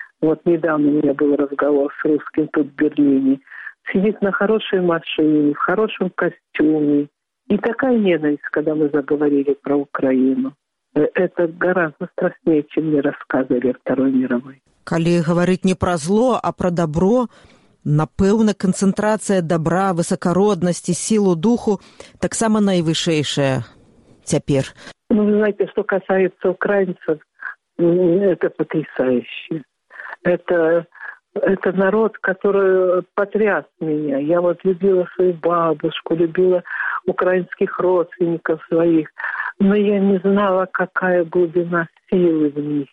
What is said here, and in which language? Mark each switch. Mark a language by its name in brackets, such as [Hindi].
[Russian] Вот недавно у меня был разговор с русским тут в Берлине. Сидит на хорошей машине, в хорошем костюме. И такая ненависть, когда мы заговорили про Украину. Это гораздо страшнее, чем мне рассказывали о Второй мировой. Коли говорить не про зло, а про добро... [Belarusian] Напэўна, канцэнтрацыя добра, высокороднасці, сілу духу таксама найвышэйшая цяпер. [Russian] Ну, вы знаете, что касается украинцев, это потрясающе. Это народ, который потряс меня. Я вот любила свою бабушку, любила украинских родственников своих, но я не знала, какая глубина силы в них.